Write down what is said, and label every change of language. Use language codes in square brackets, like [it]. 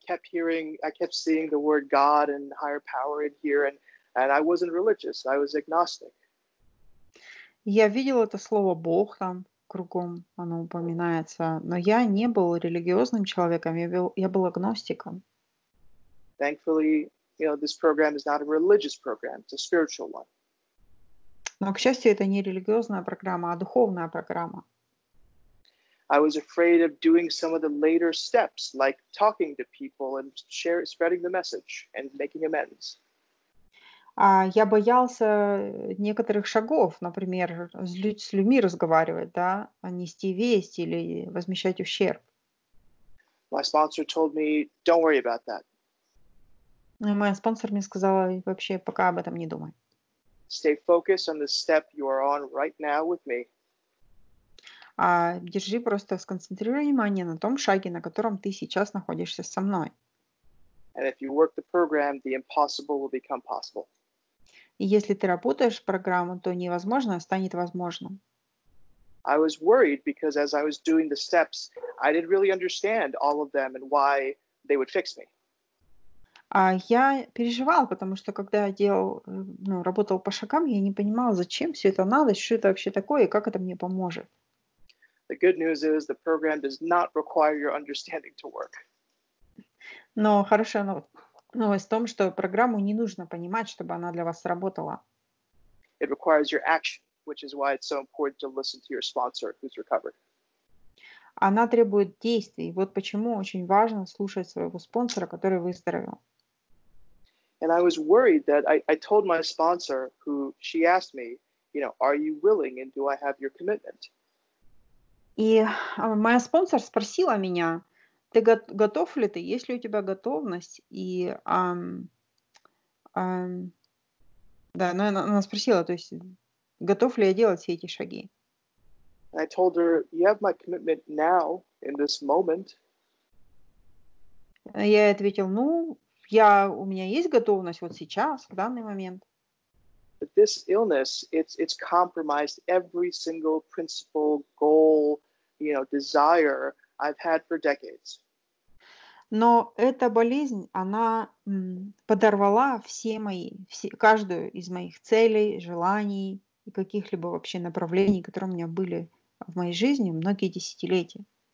[en] I kept seeing the word God and higher power in here, and I wasn't religious, I was agnostic. [ru] Я видел это слово «Бог» там кругом, оно упоминается. Но я не был религиозным человеком, я был агностиком. [en] Thankfully, you know, this program is not a religious program, it's a spiritual one. [ru] Но, к счастью, это не религиозная программа, а духовная программа. [en] I was afraid of doing some of the later steps, like talking to people and spreading the message and making amends. [ru] Я боялся некоторых шагов, например, с людьми разговаривать, да, нести весть или возмещать ущерб. [en] My sponsor told me, don't worry about that. [ru] И моя спонсор мне сказала, вообще пока об этом не думай. [en] Stay focused on the step you are on right now with me. [ru] Держи просто сконцентрируй внимание на том шаге, на котором ты сейчас находишься со мной. [en] And if you work the program, the impossible will become possible. [ru] И если ты работаешь в программу, то невозможное станет возможным. [en] I was worried because as I was doing the steps, I didn't really understand all of them and why they would fix me. [ru] Я переживал, потому что когда я делал, ну, работал по шагам, я не понимал, зачем все это надо, что это вообще такое и как это мне поможет. [en] The good news is the program does not require your understanding to work. [ru] Но хорошая новость в том, что программу не нужно понимать, чтобы она для вас работала. [en] It requires your action, which is why it's so important to listen to your sponsor who's recovered. [ru] Она требует действий. Вот почему очень важно слушать своего спонсора, который выздоровел. [en] And I was worried that I told my sponsor, who she asked me, you know, are you willing and do I have your commitment? [ru] И моя спонсор спросила меня, ты готов ли ты, есть ли у тебя готовность? И да, она спросила, то есть, готов ли я делать все эти шаги? [en] I told her, you have my commitment now, in this moment. [ru] Я ей ответил, ну, я, у меня есть готовность вот сейчас, в данный момент. [en] But this illness, it's compromised every single principle, goal, you know, desire I've had for decades. [ru] Но эта болезнь, она подорвала все мои, каждую из моих целей, желаний и каких-либо вообще направлений, которые у меня были в моей жизни многие десятилетия.